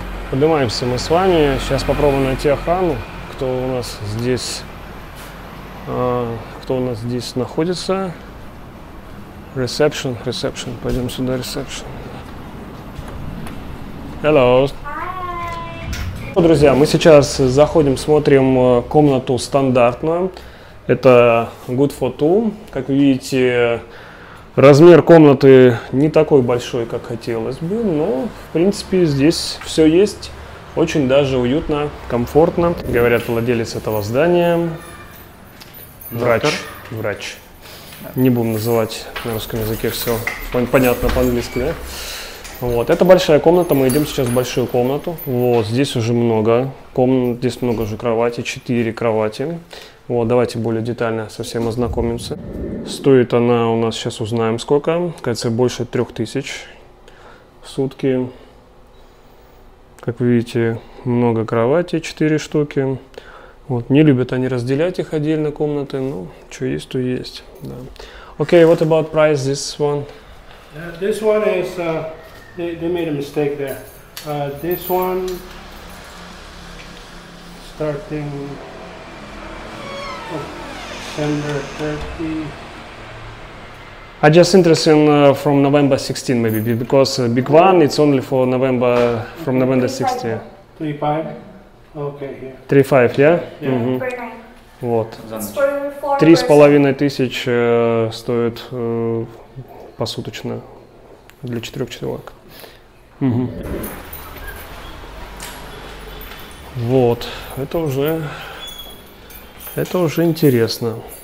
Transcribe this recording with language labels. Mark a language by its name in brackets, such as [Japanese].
[Russian] Поднимаемся мы с вами. Сейчас попробуем найти охрану, кто у нас здесь находится. Ресепшн. Пойдем сюда, ресепшн. [English] Hello. [Russian] Ну, друзья, мы сейчас заходим, смотрим комнату стандартную. Это Good for Two. Как вы видите, размер комнаты не такой большой, как хотелось бы, но в принципе здесь все есть. Очень даже уютно, комфортно. Говорят, владелец этого здания. Врач. Не будем называть на русском языке все. Понятно по-английски, да? Вот, это большая комната, мы идем сейчас в большую комнату. Вот, здесь уже много комнат, здесь много уже кровати, 4 кровати. Вот, давайте более детально со всем ознакомимся. Стоит она у нас, сейчас узнаем сколько, кажется, больше 3000 в сутки. Как вы видите, много кровати, 4 штуки. Вот, не любят они разделять их отдельно, комнаты, но что есть, то есть. Да. [English] Okay, what about price this one? This one is... They made a mistake there. This one starting December 30. I just interested in from November 16 maybe because big one it's only for November from November 16. 3.5. Okay, yeah. 3.5, yeah? Yeah. Mm-hmm. [Russian] Вот. 3,5 тысяч стоит посуточно для 4 человек. Угу. Вот, это уже интересно.